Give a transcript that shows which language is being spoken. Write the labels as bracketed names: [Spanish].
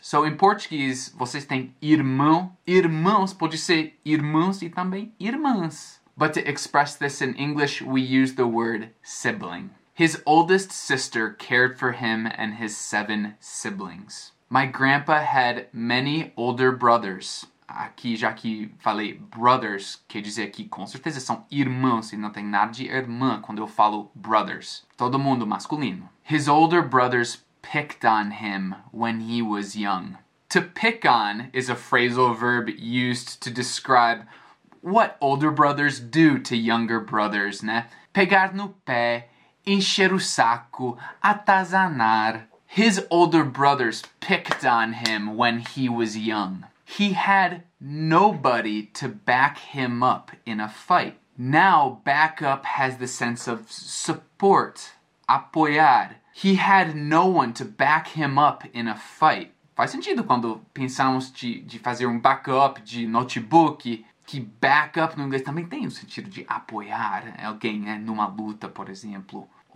[English] So in Portuguese, [Portuguese] vocês têm irmão. Irmãos, pode ser irmãos e também irmãs. [English] But to express this in English, we use the word sibling. His oldest sister cared for him and his 7 siblings. My grandpa had many older brothers. [Portuguese] Aqui, já que falei brothers, quer dizer que com certeza são irmãos e não tem nada de irmã quando eu falo brothers. Todo mundo masculino. [English] His older brothers picked on him when he was young. To pick on is a phrasal verb used to describe what older brothers do to younger brothers, né? [Portuguese] Pegar no pé, encher o saco, atazanar. [English] His older brothers picked on him when he was young. He had nobody to back him up in a fight. Now, backup has the sense of support, apoiar. He had no one to back him up in a fight. [Portuguese] Faz sentido quando pensamos de fazer um backup de notebook, que backup no inglês também tem o sentido de apoiar alguém, né, numa luta, por exemplo.